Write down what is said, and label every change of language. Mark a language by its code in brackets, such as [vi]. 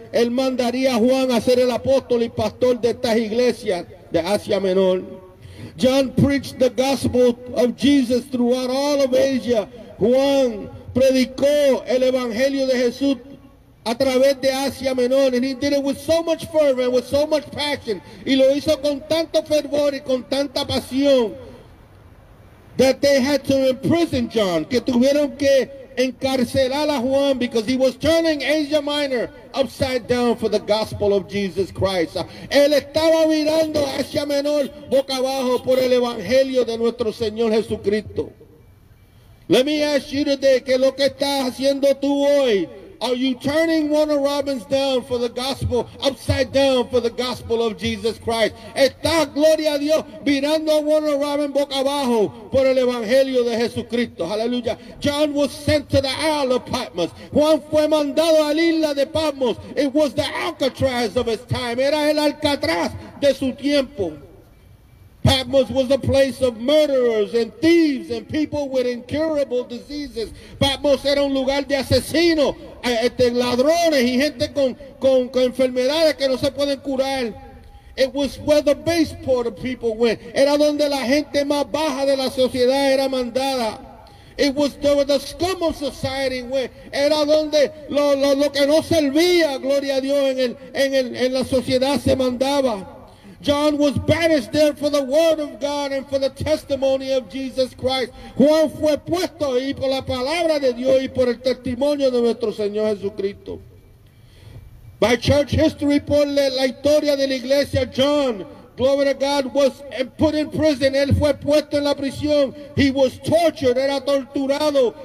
[es] Él mandaría a Juan a ser el apóstol y pastor de estas iglesias de Asia Menor. [en] John preached the gospel of Jesus throughout all of Asia. [es] Juan predicó el evangelio de Jesús a través de Asia Menor, [en] and he did it with so much fervor and with so much passion, [es] y lo hizo con tanto fervor y con tanta pasión, [en] that they had to imprison John, [es] que tuvieron que encarcelar a Juan, [en] because he was turning Asia Minor upside down for the gospel of Jesus Christ. [es] Él estaba mirando Asia Menor boca abajo por el evangelio de nuestro Señor Jesucristo. [en] Let me ask you today, [es] que lo que estás haciendo tú hoy, [en] are you turning Warner Robins down for the gospel, upside down for the gospel of Jesus Christ? [es] Está, gloria a Dios, mirando a Warner Robins boca abajo por el evangelio de Jesucristo. Hallelujah. [en] John was sent to the Isle of Patmos. [es] Juan fue mandado a la isla de Patmos. [en] It was the Alcatraz of his time. [es] Era el Alcatraz de su tiempo. [en] Patmos was a place of murderers and thieves and people with incurable diseases. [es] Patmos era un lugar de asesinos, ladrones y gente con enfermedades que no se pueden curar. [en] It was where the base port of people went. [es] Era donde la gente más baja de la sociedad era mandada. [en] It was where the scum of society went. [es] Era donde lo que no servía, gloria a Dios, en la sociedad se mandaba. [en] John was banished there for the word of God and for the testimony of Jesus Christ. [es] Juan fue puesto ahí por la palabra de Dios y por el testimonio de nuestro Señor Jesucristo. [en] By church history, [es] por la historia de la iglesia, [en] John, glory to God, was put in prison. [es] Él fue puesto en la prisión. [en] He was tortured. [es] Era torturado.